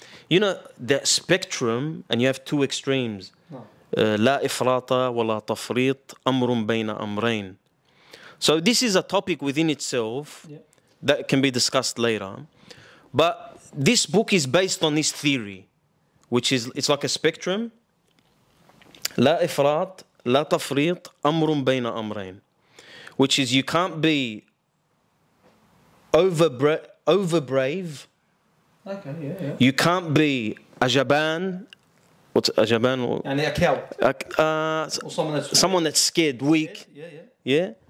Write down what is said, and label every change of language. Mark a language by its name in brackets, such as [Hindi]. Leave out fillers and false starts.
[English] You know, that spectrum, and you have two extremes. [Arabic] La ifrata wa la tafriit, amrun bayna amrain. [English] So this is a topic within itself, yeah, that can be discussed later. But this book is based on this theory, which is, it's like a spectrum. [Arabic] لا إفراط لا تفريط أمر بين أمرين. [English] Which is, you can't be over brave. Okay, yeah, yeah. You can't be ajaban. What's ajaban? And someone that's scared, weak. Yeah.